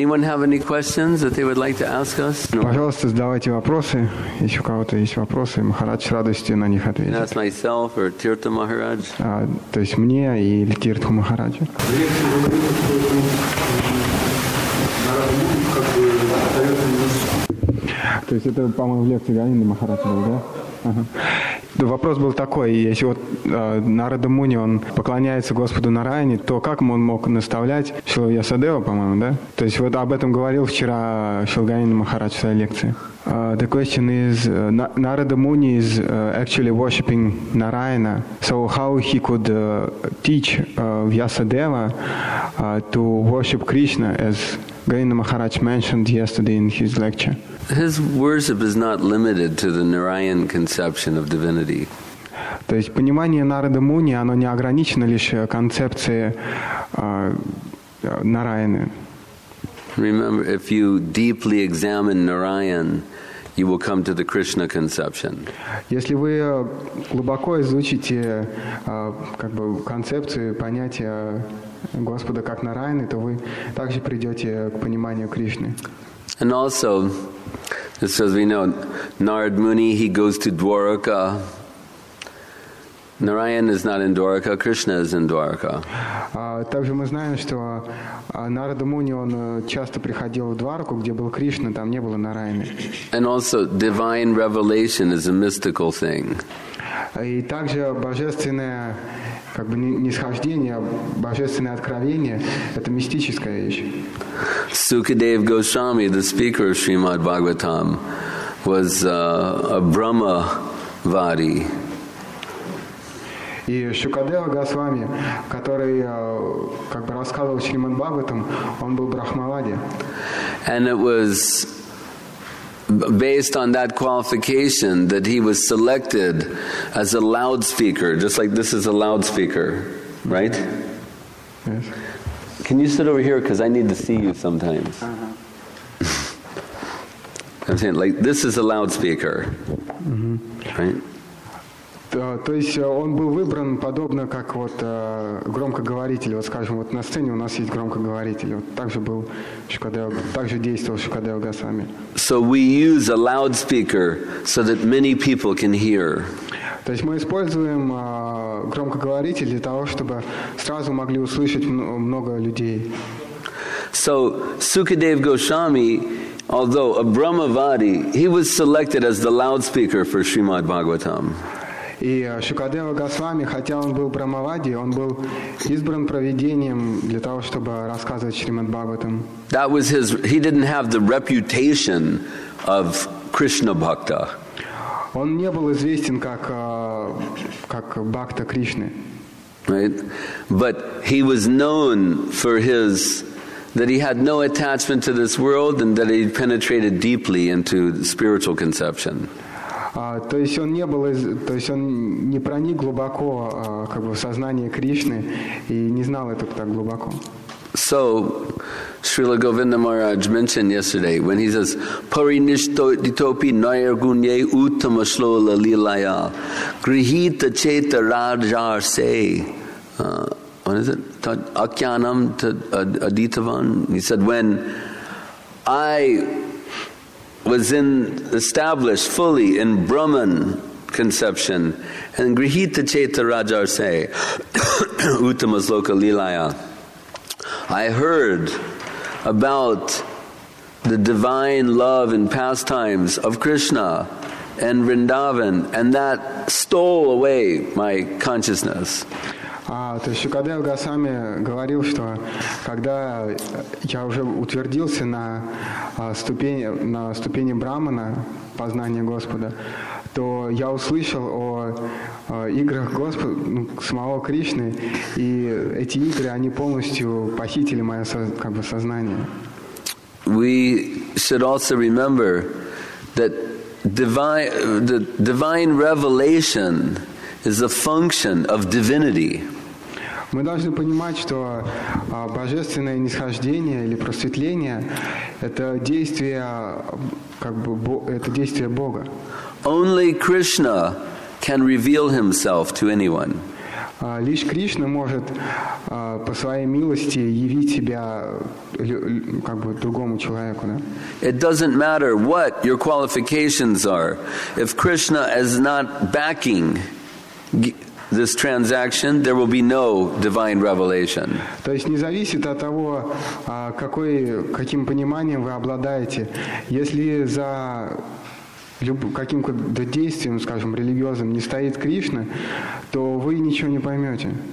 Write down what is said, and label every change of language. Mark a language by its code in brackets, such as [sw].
[en] Anyone have any questions that they would like to ask us? [ru] Пожалуйста, задавайте вопросы. Если у кого-то есть вопросы, Махарадж с радостью на них ответит. [en] That's myself or Тирта Махарадж. [ru] То есть мне или Тирту Махараджу. То есть это, по-моему, в лекции Ганинда Махараджа был, да? Вопрос был такой, если вот Нарада Муни, он поклоняется Господу Нараяне, то как он мог наставлять Шрила Вьясадева, по-моему, да? То есть вот об этом говорил вчера Шрила Ганинда Махарадж в своей лекции. [en] The question is, Narada Muni is actually worshipping Narayana, so how he could teach Vyasadeva to worship Krishna, as Ganinda Maharaj mentioned yesterday in his lecture? His worship is not limited to the Narayan conception of divinity. [ru] То есть понимание Нарада Муни, оно не ограничено лишь концепцией Нараяны. [en] Remember, if you deeply examine Narayan, you will come to the Krishna conception. [ru] Если вы глубоко изучите как бы концепцию понятия Господа как Нараяны, то вы также придете к пониманию Кришны. [en] And also, just as we know, Narad Muni, he goes to Dwaraka. Narayan is not in Dwaraka, Krishna is in Dwaraka. [ru] Также мы знаем, что Нарада Муни, он часто приходил в Двараку, где был Кришна, там не было Нараяны. [en] And also, divine revelation is a mystical thing. [ru] И также божественное, как бы нисхождение, божественное откровение – это мистическая вещь. [en] Sukadev Goswami, the speaker of Srimad Bhagavatam, was a Brahmavadi. [ru] И Шукадева Госвами, который как бы рассказывал Шримад Бхагаватам, он был брахмавади. [en] And it was based on that qualification that he was selected as a loudspeaker, just like this is a loudspeaker, right? Yes. Can you sit over here, because I need to see you sometimes. Uh-huh. I'm saying, like, this is a loudspeaker, mm-hmm. Right? [ru] То есть он был выбран подобно как вот громкоговоритель, вот скажем, вот на сцене у нас есть громкоговоритель, вот также был Шукадева, также действовал Шукадева Госвами. [en] So we use a loudspeaker so that many people can hear. [ru] То есть мы используем громкоговоритель для того, чтобы сразу могли услышать много людей. [en] So Sukadev Goswami, although a Brahmavadi, he was selected as the loudspeaker for Srimad Bhagavatam. [ru] И Шукадева Госвами, хотя он был брахмавади, он был избран провидением для того, чтобы рассказывать Шримад Бхагаватам. [en] That was his. He didn't have the reputation of Krishna Bhakta. [ru] Он не был известен как Бхакта Кришны. [en] Right, but he was known for his that he had no attachment to this world and that he penetrated deeply into spiritual conception. [ru] То есть он не проник глубоко как бы в сознание Кришны и не знал это так глубоко. [en] So, Srila Govinda Maharaj mentioned yesterday when he says, [sa] Parinishto ditopi nayargunye uttama shlola lilaya grihita cheta rajar se. [en] What is it? [sa] Akyanam aditavan. [en] He said, when I was in established fully in Brahman conception and [sa] grihita cheta rajar se uttama sloka lilaya, [en] I heard about the divine love and pastimes of Krishna and Vrindavan, and that stole away my consciousness. [ru] То есть Шукадева Госвами говорил, что когда я уже утвердился на ступени Брахмана, познания Господа, то я услышал о играх Господа, ну, самого Кришны, и эти игры, они полностью похитили мое как бы сознание. [en] We should also remember that the divine revelation is a function of divinity. [ru] Мы должны понимать, что божественное нисхождение или просветление – это действие, как бы, это действие Бога. [en] Only Krishna can reveal himself to anyone. [ru] Лишь Кришна может по своей милости явить себя как бы другому человеку, да? [en] It doesn't matter what your qualifications are. If Krishna is not backing this transaction, there will be no divine revelation. [ru] То есть не зависит от того, каким пониманием вы обладаете, если за каким-то действием, скажем, религиозным, не стоит Кришна, то вы ничего не поймете.